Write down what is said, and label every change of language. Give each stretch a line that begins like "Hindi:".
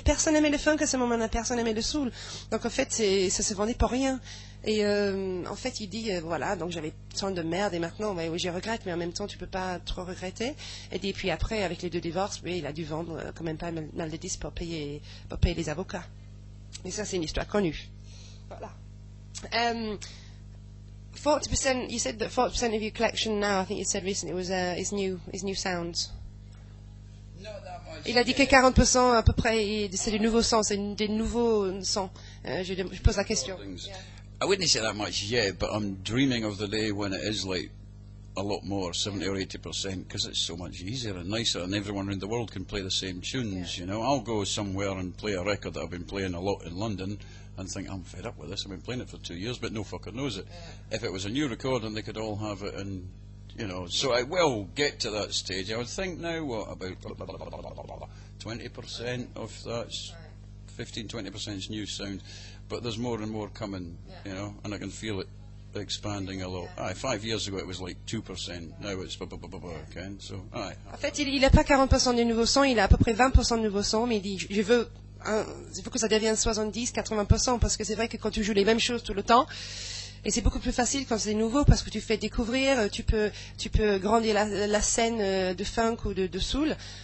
French: Personne n'aimait le funk à ce moment-là, personne n'aimait le soul. Donc, en fait, ça se vendait pour rien. Et en fait, il dit, voilà, donc j'avais tant de merde, et maintenant, bah, oui, je regrette, mais en même temps, tu ne peux pas trop regretter. Et puis après, avec les deux divorces, oui, il a dû vendre quand même pas mal de disques pour payer les avocats. Mais ça, c'est une histoire connue. Voilà.
English: 40%, you said that 40% of your collection now, I think you said recently, is new sounds.
French: Il a dit que 40% à peu près, c'est du nouveau son, c'est des nouveaux sons. Je pose la question.
English: Yeah. I wouldn't say that much yet, but I'm dreaming of the day when it is like a lot more, 70 or 80%, because it's so much easier and nicer, and everyone around the world can play the same tunes, yeah. You know. I'll go somewhere and play a record that I've been playing a lot in London, and think, I'm fed up with this, I've been playing it for 2 years, but no fucker knows it. Yeah. If it was a new recording, they could all have it, and, you know, so I will get to that stage. I would think now, what, about 20% of that's 15-20% is new sound, but there's more and more coming, yeah. You know, and I can feel it expanding a lot. Yeah. Aye, 5 years ago, it was like 2%, yeah. Now it's again, so, aye.
French: En fait, il a pas 40% de nouveaux sons, il a à peu près 20% de nouveaux sons, mais il dit, je veux... Il faut que ça devienne 70-80% parce que c'est vrai que quand tu joues les mêmes choses tout le temps, et c'est beaucoup plus facile quand c'est nouveau parce que tu fais découvrir, tu peux grandir la scène de funk ou de soul.